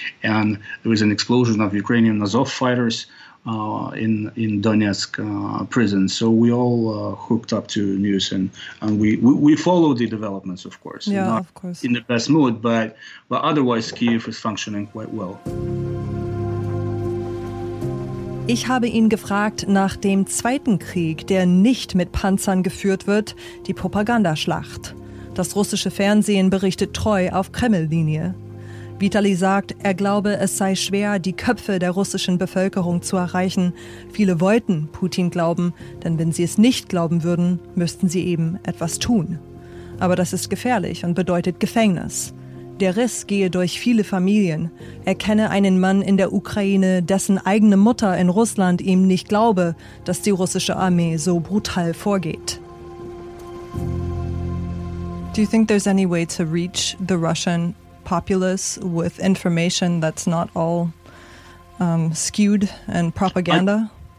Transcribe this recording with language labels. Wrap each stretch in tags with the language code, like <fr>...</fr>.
<en>And there was an explosion of Ukrainian Azov fighters in Donetsk prison. So we all hooked up to news and we follow the developments, of course. Yeah, not of course. In the best mood, but otherwise Kyiv is functioning quite well.</en> <de>Ich habe ihn gefragt nach dem zweiten Krieg, der nicht mit Panzern geführt wird, die Propagandaschlacht. Das russische Fernsehen berichtet treu auf Kreml-Linie. Vitali sagt, er glaube, es sei schwer, die Köpfe der russischen Bevölkerung zu erreichen. Viele wollten Putin glauben, denn wenn sie es nicht glauben würden, müssten sie eben etwas tun. Aber das ist gefährlich und bedeutet Gefängnis. Der Riss gehe durch viele Familien. Er kenne einen Mann in der Ukraine, dessen eigene Mutter in Russland ihm nicht glaube, dass die russische Armee so brutal vorgeht.</de> <en>Do you think there's any way to reach the Russian populace with information that's not all skewed and propaganda?</en>